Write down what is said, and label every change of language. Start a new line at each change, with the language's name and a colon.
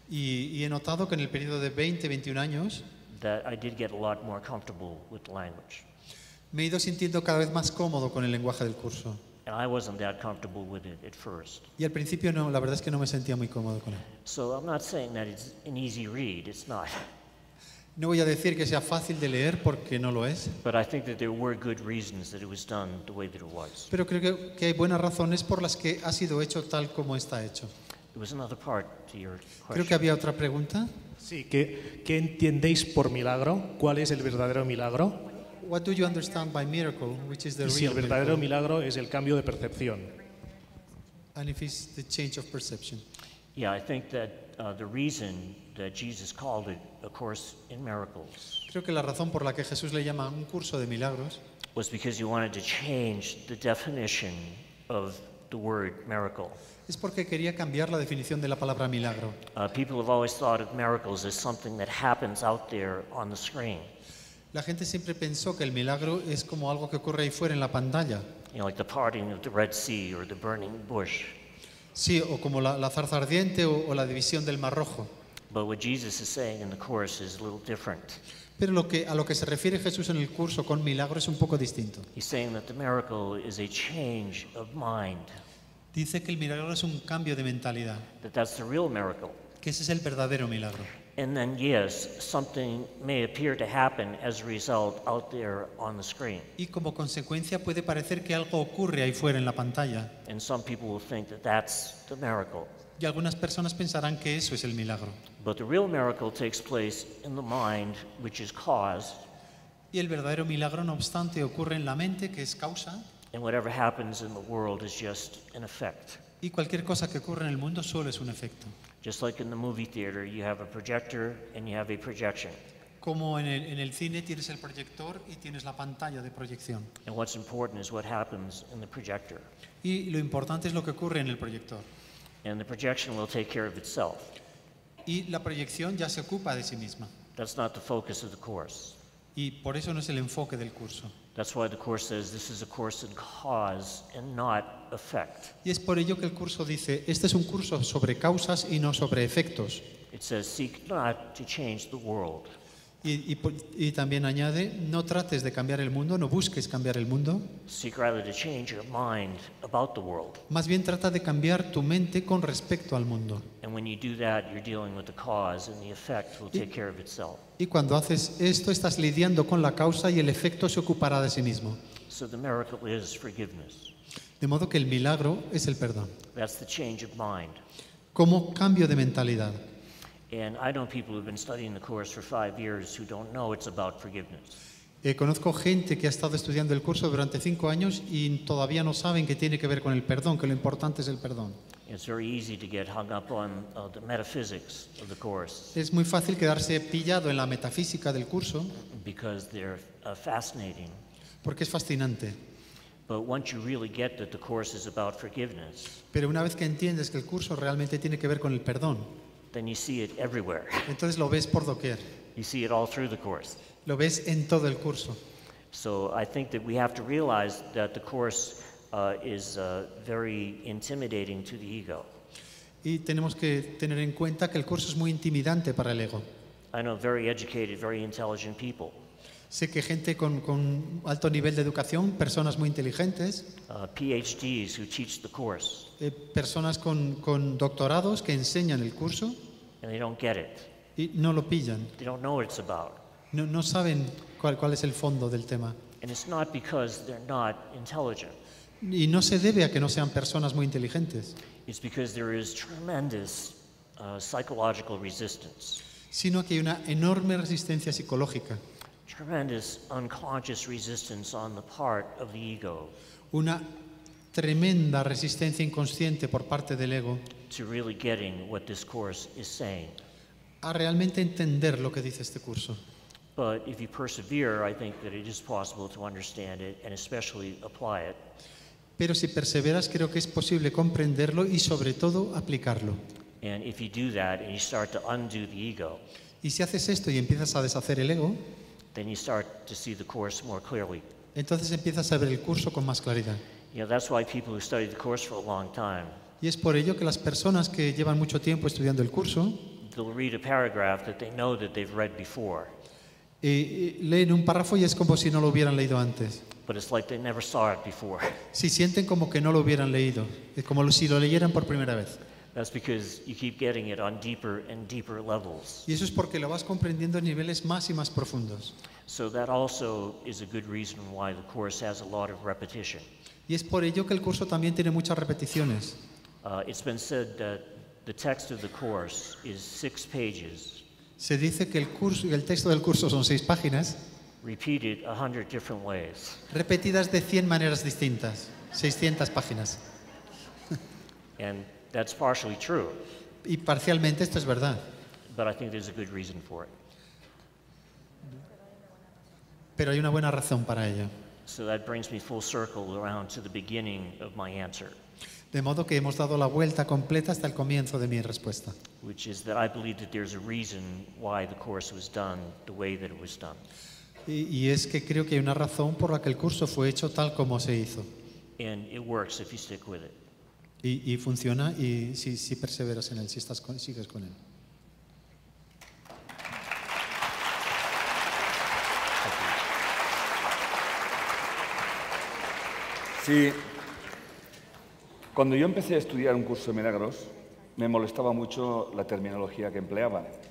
Spanish: Y he notado que en el periodo de 20-21 años.
English: That I did get a lot more comfortable with the language.
Spanish: Me he ido sintiendo cada vez más cómodo con el lenguaje del curso.
English: And I wasn't that comfortable with it at first.
Spanish: Y al principio no, la verdad es que no me sentía muy cómodo con él.
English: So I'm not saying that it's an easy read. It's not.
Spanish: No voy a decir que sea fácil de leer porque no lo es.
English: But I think that there were good reasons that it was done the way that it was.
Spanish: Pero creo que hay buenas razones por las que ha sido hecho tal como está hecho.
English: There was another part to your question.
Spanish: Creo que había otra pregunta. Sí, ¿qué entendéis por milagro? ¿Cuál es el verdadero milagro?
English: What do you understand by miracle, which is the real miracle?
Spanish: El verdadero milagro es el cambio de percepción.
English: And if it's the change of perception. Yeah, I think that the reason that Jesus called it A Course in Miracles.
Spanish: Creo que la razón por la que Jesús le llama Un Curso de Milagros
English: was because he wanted to change the definition of the word miracle.
Spanish: Es porque quería cambiar la definición de la palabra milagro.
English: People have always thought of miracles as something that happens out there on the screen.
Spanish: La gente siempre pensó que el milagro es como algo que ocurre ahí fuera en la pantalla.
English: You know, like the parting of the Red Sea or the burning bush.
Spanish: Sí, o como la zarza ardiente o la división del Mar Rojo.
English: But what Jesus is saying in the course is a little different.
Spanish: Pero a lo que se refiere Jesús en el curso con milagro es un poco distinto.
English: He's saying that the miracle is a change of mind.
Spanish: Dice que el milagro es un cambio de mentalidad.
English: That's the real miracle.
Spanish: Que ese es el verdadero milagro.
English: And then yes, something may appear to happen as a result out there on the screen.
Spanish: Y como consecuencia puede parecer que algo ocurre ahí fuera en la pantalla.
English: And some people will think that that's the miracle.
Spanish: Y algunas personas pensarán que eso es el milagro.
English: But the real miracle takes place in the mind, which is cause.
Spanish: Y el verdadero milagro, no obstante, ocurre en la mente, que es causa.
English: And whatever happens in the world is just an effect.
Spanish: Y cualquier cosa que ocurre en el mundo solo es un efecto.
English: Just like in the movie theater, you have a projector and you have a projection.
Spanish: Como en el cine tienes el proyector y tienes la pantalla de proyección.
English: And what's important is what happens in the projector.
Spanish: Y lo importante es lo que ocurre en el proyector.
English: And the projection will take care of itself.
Spanish: Y la proyección ya se ocupa de sí misma.
English: That's not the focus of the course.
Spanish: Y por eso no es el enfoque del curso.
English: That's why the course says this is a course in cause and not effect.
Spanish: Y es por ello que el curso dice, este es un curso sobre causas y no sobre efectos.
English: It says seek not to change the world.
Spanish: Y también añade, no trates de cambiar el mundo, no busques cambiar el mundo.
English: Seek rather to change your mind about the world.
Spanish: Más bien trata de cambiar tu mente con respecto al mundo.
English: And when you do that, you're dealing with the cause and the effect will take care of itself.
Spanish: Y cuando haces esto, estás lidiando con la causa y el efecto se ocupará de sí mismo.
English: So the miracle is forgiveness.
Spanish: De modo que el milagro es el perdón.
English: That's the change of mind.
Spanish: Como cambio de mentalidad.
English: And I know people who've been studying the course for 5 years who don't know it's about forgiveness.
Spanish: Conozco gente que ha estado estudiando el curso durante 5 años y todavía no saben que tiene que ver con el perdón, que lo importante es el perdón.
English: It's very easy to get hung up on the metaphysics of the course.
Spanish: Es muy fácil quedarse pillado en la metafísica del curso.
English: Because they're fascinating.
Spanish: Porque es fascinante.
English: But once you really get that the course is about forgiveness.
Spanish: Pero una vez que entiendes que el curso realmente tiene que ver con el perdón.
English: Then you see it everywhere.
Spanish: Entonces lo ves por doquier.
English: You see it all through the course.
Spanish: Lo ves en todo el curso.
English: So I think that we have to realize that the course is very intimidating to the ego.
Spanish: Y tenemos que tener en cuenta que el curso es muy intimidante para el ego.
English: I know very educated, very intelligent people.
Spanish: Sé que gente con alto nivel de educación, personas muy inteligentes.
English: PhDs who teach the course.
Spanish: Personas con doctorados que enseñan el curso.
English: And they don't get it.
Spanish: Y no lo pillan.
English: They don't know what it's about.
Spanish: No saben cuál es el fondo del tema.
English: And it's not because they're not intelligent.
Spanish: Y no se debe a que no sean personas muy inteligentes.
English: It's because there is tremendous psychological resistance.
Spanish: Sino que hay una enorme resistencia psicológica.
English: tremendous unconscious resistance on the part of the ego.
Spanish: Una tremenda resistencia inconsciente por parte del ego.
English: To really getting what this course is saying.
Spanish: A realmente entender lo que dice este curso.
English: But if you persevere, I think that it is possible to understand it and especially apply it.
Spanish: Pero si perseveras, creo que es posible comprenderlo y sobre todo aplicarlo.
English: And if you do that and you start to undo the ego.
Spanish: Y si haces esto y empiezas a deshacer el ego,
English: then you start to see the course more clearly.
Spanish: Entonces empiezas a ver el curso con más claridad.
English: Yeah, that's why people who study the course for a long time.
Spanish: Y es por ello que las personas que llevan mucho tiempo estudiando el curso,
English: they'll read a paragraph that they know that they've read before.
Spanish: Leen un párrafo y es como si no lo hubieran leído antes.
English: But it's like they never saw it before.
Spanish: Si sienten como que no lo hubieran leído, es como si lo leyeran por primera vez.
English: That's because you keep getting it on deeper and deeper levels.
Spanish: Y eso es porque lo vas comprendiendo a niveles más y más profundos.
English: So that also is a good reason why the course has a lot of repetition.
Spanish: Y es por ello que el curso también tiene muchas repeticiones.
English: It's been said that the text of the course is 6 pages.
Spanish: Se dice que el texto del curso son 6 páginas.
English: Repeated 100 different ways.
Spanish: Repetidas de 100 maneras distintas, 600 páginas.
English: And that's partially true.
Spanish: Y parcialmente esto es verdad.
English: But I think there's a good reason for it.
Spanish: Pero hay una buena razón para ello.
English: So that brings me full circle around to the beginning of my answer.
Spanish: De modo que hemos dado la vuelta completa hasta el comienzo de mi respuesta.
English: Which is that I believe that there's a reason why the course was done the way that it was done.
Spanish: Y es que creo que hay una razón por la que el curso fue hecho tal como se hizo.
English: And it works if you stick with it.
Spanish: Y funciona y si perseveras en él, sigues con él. Sí. Cuando yo empecé a estudiar un curso de milagros, me molestaba mucho la terminología que empleaban.